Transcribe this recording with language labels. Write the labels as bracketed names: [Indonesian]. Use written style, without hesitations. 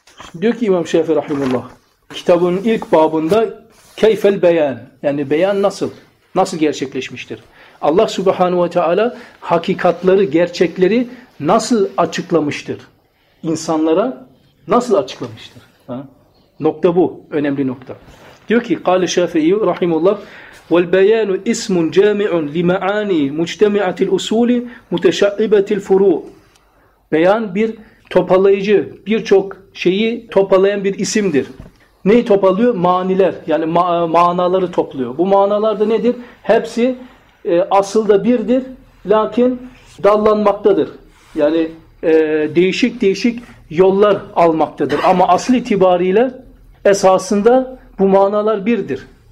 [Turkish] Şimdi diyor ki İmam Şafii Rahimullah kitabın ilk babında keyfel beyan, yani beyan nasıl? Nasıl gerçekleşmiştir? Allah Subhanahu ve Teala hakikatleri, gerçekleri nasıl açıklamıştır? İnsanlara nasıl açıklamıştır? Ha? Nokta bu, önemli nokta. Diyor ki [Arabic] قال الشافعي رحمه الله والبيان اسم جامع لمعاني مجتمعة الأصول متشعبة الفروع. [Turkish] Beyan bir toparlayıcı, birçok şeyi toparlayan bir isimdir. Neyi toparlıyor? Maniler, yani manaları topluyor. Bu manalar da nedir? Hepsi aslında birdir lakin dallanmaktadır. Yani değişik değişik yollar almaktadır ama asıl itibariyle esasında bu manalar birdir.